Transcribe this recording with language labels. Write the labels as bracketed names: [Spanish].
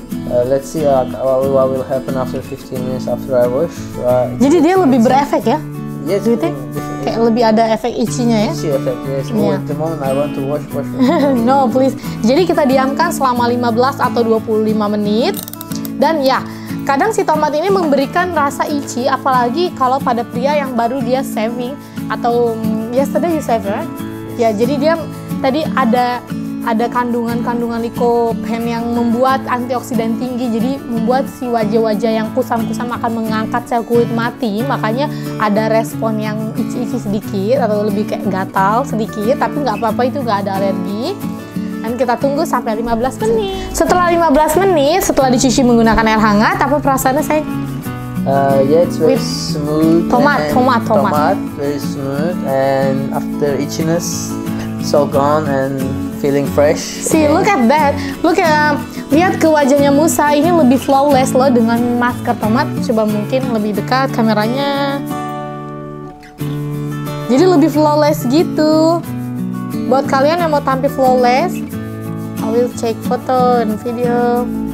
[English] Let's see what will happen after 15 minutes after I wash. [Indonesian] Jadi dia lebih berefek ya? [English] Yes, do you think? [Indonesian] Kayak lebih ada efek itchy-nya ya? [English] Itchy effect, yes. Oh, yeah. At the moment I want to wash. No, please. [Indonesian] Jadi kita diamkan selama 15 atau 25 menit. Dan ya, kadang si tomat ini memberikan rasa itchy, apalagi kalau pada pria yang baru dia shaving. [English] Atau yesterday you shaved, right? [Indonesian] Ya, jadi dia tadi ada kandungan-kandungan likopen yang membuat antioksidan tinggi, jadi membuat si wajah-wajah yang kusam-kusam akan mengangkat sel kulit mati, makanya ada respon yang icy-icy sedikit atau lebih kayak gatal sedikit, tapi nggak apa-apa, itu nggak ada alergi. Dan kita tunggu sampai 15 menit. Setelah 15 menit, setelah dicuci menggunakan air hangat, apa perasaannya saya? [English] It's very with smooth. [Indonesian] Tomat. [English] Very smooth and after itchiness, so gone and feeling fresh. See, look at that. [Indonesian] Lihat ke wajahnya Musa, ini lebih flawless loh dengan masker tomat. Coba mungkin lebih dekat kameranya. Jadi lebih flawless gitu. Buat kalian yang mau tampil flawless, [English] I will take photo and video.